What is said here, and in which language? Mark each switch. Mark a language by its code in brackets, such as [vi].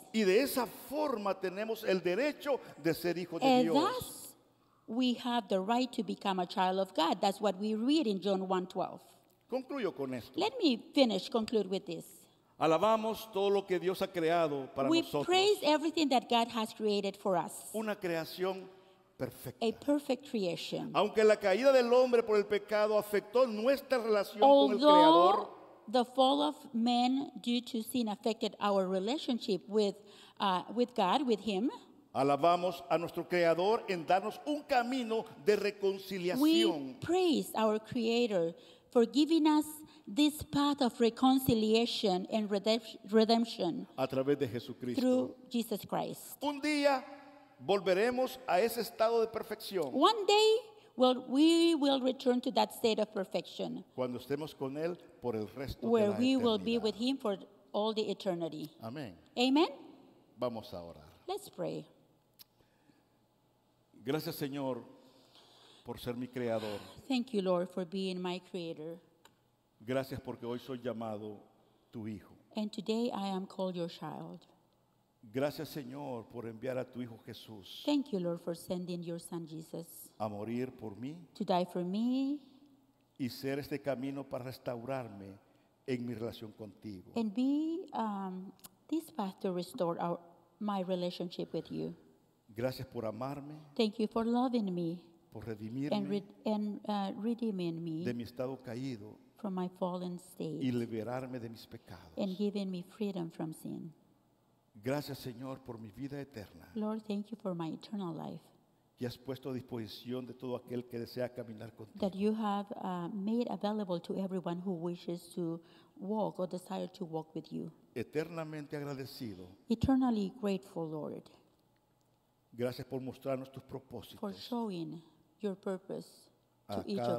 [es] Y de esa forma tenemos el derecho de ser hijo [en] and [es] de Dios. [en] Thus, we have the right to become a child of God. That's what we read in John 1:12. [es] Concluyo con esto. [en] Let me finish, conclude with this. [es] Alabamos todo lo que Dios ha creado para [en] we [es] nosotros. [en] We praise everything that God has created for us. [es] Una creación perfecta. [en] A perfect creation. [es] Aunque la caída del hombre por el pecado afectó nuestra relación [en] although [es] con el Creador. [en] Although the fall of man due to sin affected our relationship with God, with Him. [es] Alabamos a nuestro Creador en darnos un camino de reconciliación. [en] We praise our Creator for giving us this path of reconciliation and redemption [es] a través de Jesucristo. [en] Through Jesus Christ. [es] Un día volveremos a ese estado de perfección. [en] One day well, we will return to that state of perfection. [es] Cuando estemos con él por el resto de la eternidad. [en] we will be with him for all the eternity. [es] Amén. [en] Amen. [es] Vamos a orar. [en] Let's pray. [es] Gracias, Señor, por ser mi creador. [en] Thank you, Lord, for being my creator. [es] Gracias porque hoy soy llamado tu hijo. [en] And today I am called your child. [es] Gracias, Señor, por enviar a tu hijo Jesús. [en] Thank you, Lord, for sending your son Jesus. [es] A morir por mí. [en] To die for me. [es] Y ser este camino para restaurarme en mi relación contigo. [en] And be this path to restore my relationship with you. [es] Gracias por amarme. [en] Thank you for loving me. [es] Por redimirme. [en] And redeeming me. [es] De mi estado caído. [en] From my fallen state [es] y liberarme de mis pecados. [en] And giving me freedom from sin. [es] Gracias, Señor, por mi vida eterna. [en] Lord, thank you for my eternal life. [es] Y has puesto a disposición de todo aquel que desea caminar contigo. [en] That you have made available to everyone who wishes to walk or desire to walk with you. [es] Eternamente agradecido. [en] Eternally grateful, Lord. [es] Gracias por mostrarnos tus propósitos. [en] For showing your purpose a to each of